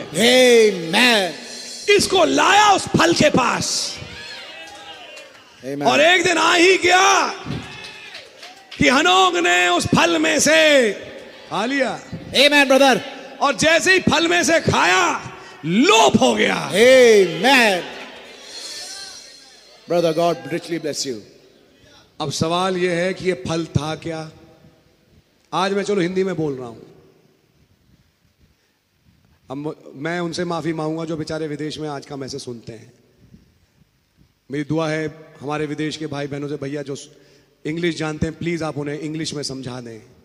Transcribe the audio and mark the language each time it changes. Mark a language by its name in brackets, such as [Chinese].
[Hindi] आमीन, इसको लाया उस फल के पास, आमीन, और एक दिन आ ही गया कि हनोक ने उस फल में से खा लिया, आमीन ब्रदर, और जैसे ही फल में से खाया लोप हो गया, [English] आमीन Brother, God richly bless you. [Hindi] अब सवाल यह है कि यह फल था क्या? आज मैं चलो हिंदी में बोल रहा हूं, अब मैं उनसे माफी मांगूंगा जो बेचारे विदेश में आज का मैसेज सुनते हैं. मेरी दुआ है हमारे विदेश के भाई बहनों से, भैया जो इंग्लिश जानते हैं प्लीज आप उन्हें इंग्लिश में समझा दें.